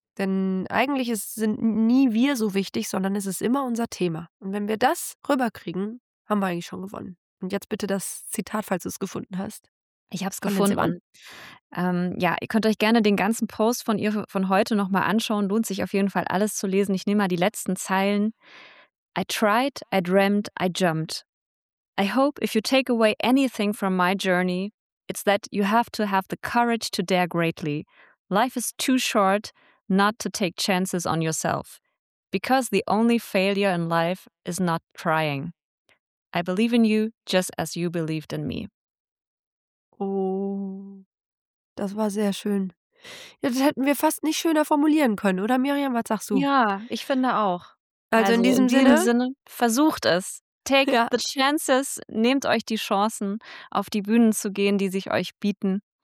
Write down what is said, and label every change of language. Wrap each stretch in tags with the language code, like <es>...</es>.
<de>Denn eigentlich sind nie wir so wichtig, sondern es ist immer unser Thema. Und wenn wir das rüberkriegen, haben wir eigentlich schon gewonnen. Und jetzt bitte das Zitat, falls du es gefunden hast. Ich habe es gefunden. Ihr könnt euch gerne den ganzen Post von ihr von heute nochmal anschauen. Lohnt sich auf jeden Fall, alles zu lesen. Ich nehme mal die letzten Zeilen.</de> <en>I tried, I dreamt, I jumped. I hope if you take away anything from my journey, It's that you have to have the courage to dare greatly. Life is too short not to take chances on yourself. Because the only failure in life is not trying. I believe in you just as you believed in me.</en> <de>Oh, das war sehr schön. Ja, das hätten wir fast nicht schöner formulieren können, oder Miriam? Was sagst du? Ja, ich finde auch. Also in diesem Sinne, versucht es.</de> <en>Take the chances.</en> <de>Nehmt euch die Chancen, auf die Bühnen zu gehen, die sich euch bieten.</de>